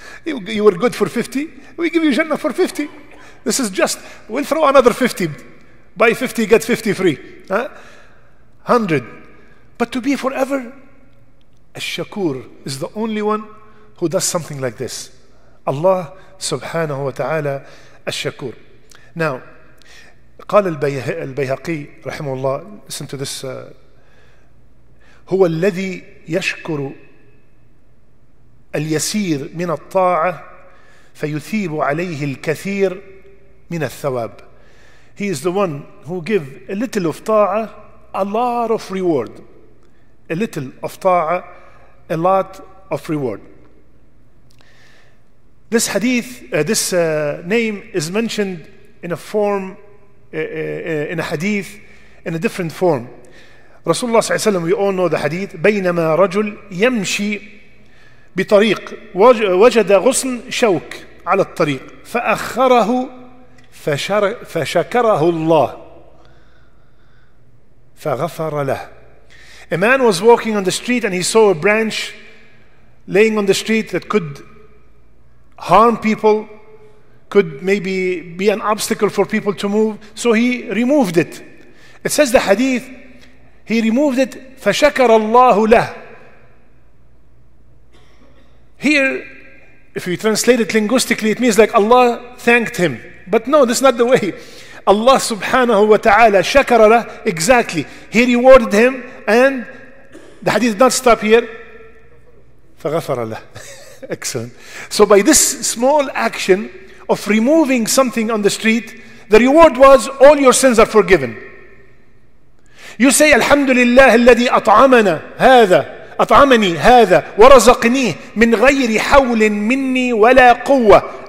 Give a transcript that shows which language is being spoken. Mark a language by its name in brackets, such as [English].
[English] You were good for 50, we give you Jannah for 50. This is just, we'll throw another 50. Buy 50, get 50 free. Huh? 100. But to be forever, Ash-Shakur is the only one who does something like this. Allah subhanahu wa ta'ala Ash-Shakur. Now, [Arabic] قال البيهقي رحمه الله, [English] listen to this, [Arabic] هو الذي يشكر اليسير من الطاعة فيثيب عليه الكثير من الثواب. [English] He is the one who give a little of ta'a, a lot of reward. A little of ta'a, a lot of reward. This hadith, this name is mentioned in a form, in a hadith, in a different form. [Arabic] رسول الله صلى الله عليه وسلم, [English] we all know the hadith, [Arabic] بينما رجل يمشي بطريق وجد غصن شوك على الطريق فأخره فشكره الله فغفر له. [English] A man was walking on the street and he saw a branch laying on the street that could harm people, could maybe be an obstacle for people to move, so he removed it. It says the hadith, he removed it, [Arabic] فَشَكَرَ اللَّهُ لَهُ. [English] Here, if we translate it linguistically, it means like Allah thanked him. But no, this is not the way. Allah subhanahu wa ta'ala [Arabic] شَكَرَ لَهُ, [English] exactly. He rewarded him, and the hadith did not stop here. [Arabic] فَغَفَرَ لَهُ. [English] Excellent. So by this small action of removing something on the street, the reward was all your sins are forgiven. You say, [Arabic] Alhamdulillah, الذي أطعمنا هذا, أطعمني هذا, ورزقني من غير حول مني ولا قوة.